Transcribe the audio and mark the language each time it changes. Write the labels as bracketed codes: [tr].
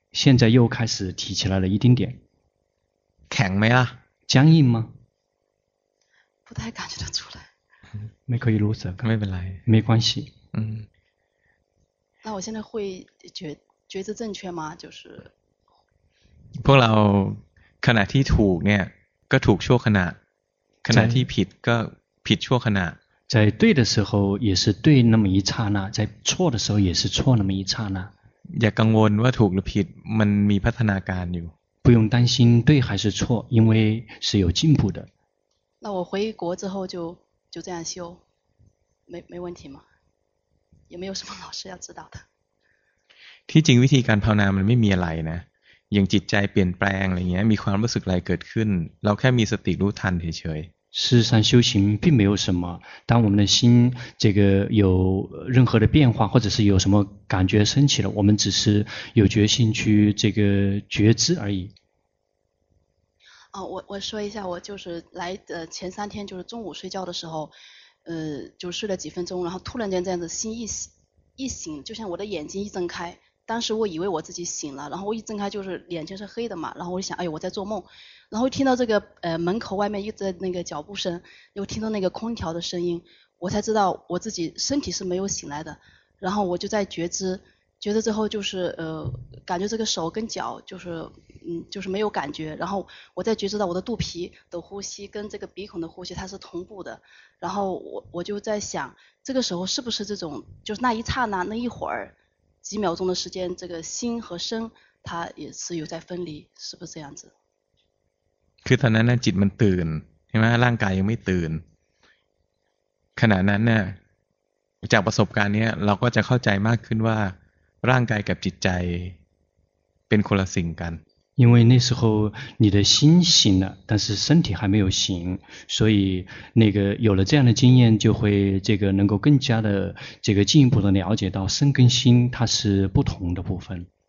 [zh] 现在又开始提起来了一丁点。 [th] แข็งไหมล่ะ [zh] 僵硬吗不太感觉得出来 [th] ไม่เคยรู้สึก ไม่เป็นไร [zh] ไม่关系那我现在会觉知正确吗就是 [th] พวกเราขณะที่ถูกเนี่ยก็ถูกชั่วขณะขณะที่ผิดก็ผิดชั่วขณะ [zh] 在对的时候也是对那么一刹那在错的时候也是错那么一刹那 [th] อย่ากังวลว่าถูกหรือผิดมันมีพัฒนาการอยู่ [zh] 不用担心对还是错，因为是有进步的。那我回国之后就这样修，没问题吗？也没有什么老师要指导的。 [th] ที่จริงวิธีการภาวนามันไม่มีอะไรนะอย่างจิตใจเปลี่ยนแปลงอะไรเงี้ยมีความรู้สึกอะไรเกิดขึ้นเราแค่มีสติรู้ทันเฉยเฉย [zh] 事实上修行并没有什么，当我们的心这个有任何的变化，或者是有什么感觉升起了，我们只是有决心去这个觉知而已。我说一下，我就是来的前三天，就是中午睡觉的时候，就睡了几分钟，然后突然间这样子心一醒，就像我的眼睛一睁开，当时我以为我自己醒了，然后我一睁开就是眼睛是黑的嘛，然后我就想，哎呦我在做梦，然后听到这个门口外面一直那个脚步声，又听到那个空调的声音，我才知道我自己身体是没有醒来的，然后我就在觉知之后就是感觉这个手跟脚就是没有感觉，然后我再觉知到我的肚皮的呼吸跟这个鼻孔的呼吸它是同步的，然后我就在想这个时候是不是这种就是那一刹那那一会儿几秒钟的时间，这个心和身，它也是有在分离，是不是这样子？ [th] คือตอนนั้นจิตมันตื่นใช่ไหมร่างกายยังไม่ตื่นขณะนั้นจากประสบการณ์นี้เราก็จะเข้าใจมากขึ้นว่าร่างกายกับจิตใจเป็นคนละสิ่งกัน [zh] 因为那时候你的心醒了，但是身体还没有醒，所以那个有了这样的经验，就会这个能够更加的这个进一步的了解到身跟心它是不同的部分。